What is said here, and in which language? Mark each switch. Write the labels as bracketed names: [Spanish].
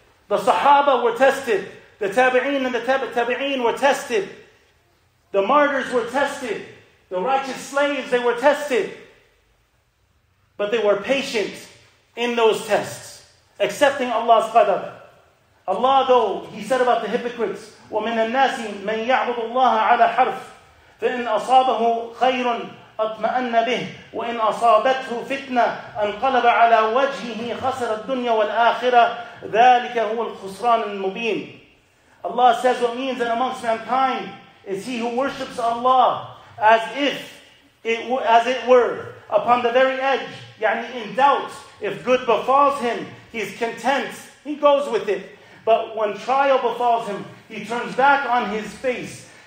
[English] The Sahaba were tested. The Tabi'een and the Tabi'een were tested. The martyrs were tested. The righteous slaves, they were tested. But they were patient in those tests, accepting Allah's qadr. Allah, though, He said about the hypocrites, [Arabic] وَمِنَ النَّاسِ مَنْ يَعْبُدُ اللَّهَ عَلَى حَرْفٍ فَإِنْ أَصَابَهُ خَيْرٌ أطمأن به وإن أصابته فتنة انقلب على وجهه خسر الدنيا والآخرة ذلك هو الخسران المبين. [English] Allah says what means that amongst mankind is he who worships Allah as if it as it were upon the very edge, يعني in doubt if good befalls him, he's content, he goes with it. But when trial befalls him, he turns back on his face.